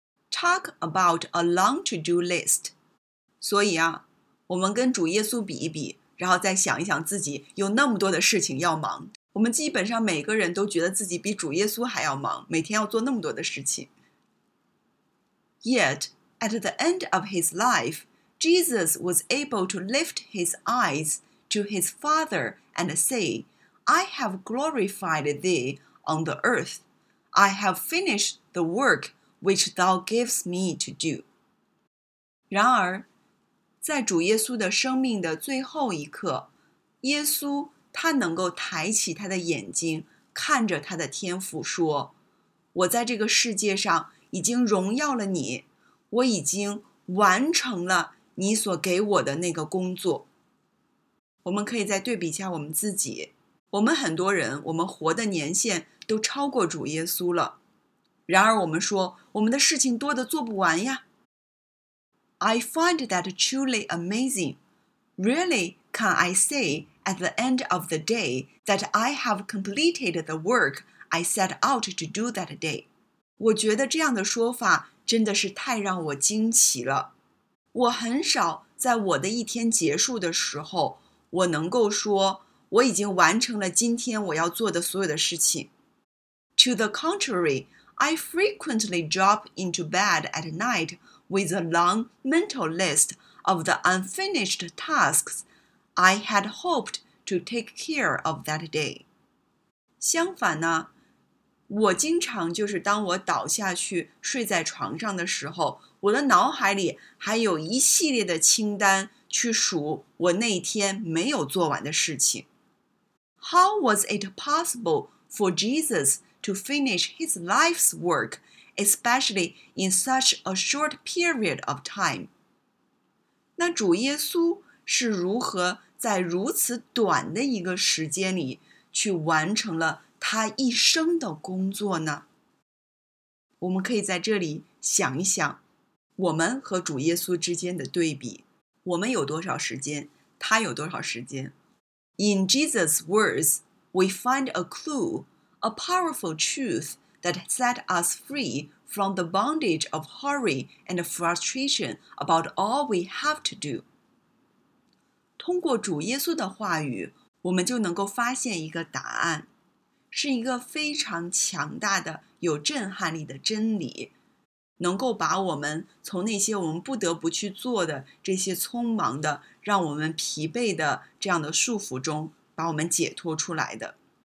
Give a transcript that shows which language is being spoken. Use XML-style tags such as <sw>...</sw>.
<en>Talk about a long to-do list.</en> <zh>所以啊，我们跟主耶稣比一比，然后再想一想自己有那么多的事情要忙。我们基本上每个人都觉得自己比主耶稣还要忙，每天要做那么多的事情。</zh> <en>Yet, at the end of his life, Jesus was able to lift his eyes to his Father and say, I have glorified thee on the earth. I have finished the workwhich thou gives me to do.</en> <zh>然而，在主耶稣的生命的最后一刻，耶稣他能够抬起他的眼睛，看着他的天父说，我在这个世界上已经荣耀了你，我已经完成了你所给我的那个工作。我们可以再对比一下我们自己，我们很多人，我们活的年限都超过主耶稣了。然而我们说，我们的事情多得做不完呀。</zh> <en>I find that truly amazing. Really, can I say at the end of the day that I have completed the work I set out to do that day?</en> <zh>我觉得这样的说法真的是太让我惊奇了。我很少在我的一天结束的时候，我能够说我已经完成了今天我要做的所有的事情。</zh> <en>To the contrary, I frequently drop into bed at night with a long mental list of the unfinished tasks I had hoped to take care of that day.</en> <zh>相反呢，我经常就是当我倒下去睡在床上的时候，我的脑海里还有一系列的清单去数我那天没有做完的事情。</zh> <en>How was it possible for Jesus to finish his life's work, especially in such a short period of time?</en> <zh>那主耶稣是如何在如此短的一个时间里去完成了他一生的工作呢？我们可以在这里想一想，我们和主耶稣之间的对比，我们有多少时间，他有多少时间。</zh> <en>In Jesus' words, we find a clue, a powerful truth that set us free from the bondage of hurry and frustration about all we have to do.</en> <zh>通过主耶稣的话语，我们就能够发现一个答案，是一个非常强大的、有震撼力的真理，能够把我们从那些我们不得不去做的这些匆忙的、让我们疲惫的这样的束缚中把我们解脱出来的。</zh>